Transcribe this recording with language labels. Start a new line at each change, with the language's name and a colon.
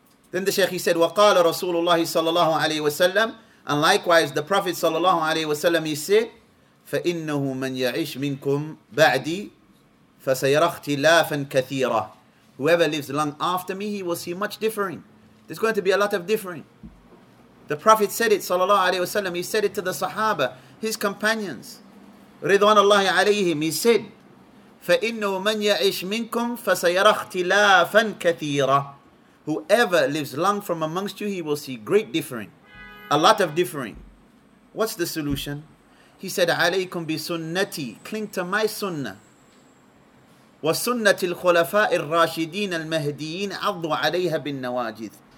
English: Then the Shaykh, he said,
Arabic: وَقَالَ رَسُولُ اللَّهِ صَلَى اللَّهُ عَلَيْهِ وَسَلَّمُ.
English: And likewise, the Prophet صلى الله عليه وسلم, he said,
Arabic: فَإِنَّهُ مَنْ يَعِشْ مِنْكُمْ بَعْدِي فَسَيَرَى اخْتِلَافًا كَثِيرًا.
English: Whoever lives long after me, he will see much differing. There's going to be a lot of differing. The Prophet said it, صلى الله عليه وسلم, he said it to the Sahaba, his companions.
Arabic: رضوان الله عليهم,
English: he said,
Arabic: فَإِنَّهُ مَنْ يَعِشْ مِنْكُمْ فَسَيَرَى اخْتِلَافًا كَثِيرًا.
English: Whoever lives long from amongst you, he will see great differing, a lot of differing. What's the solution? He said,
Arabic: عليكم بسنتي,
English: cling to my sunnah.
Arabic: وَسُنَّةِ الْخُلَفَاءِ الرَّاشِدِينَ الْمَهْدِيِينَ عَضُّ عَلَيْهَا بِالنَّوَاجِذِ.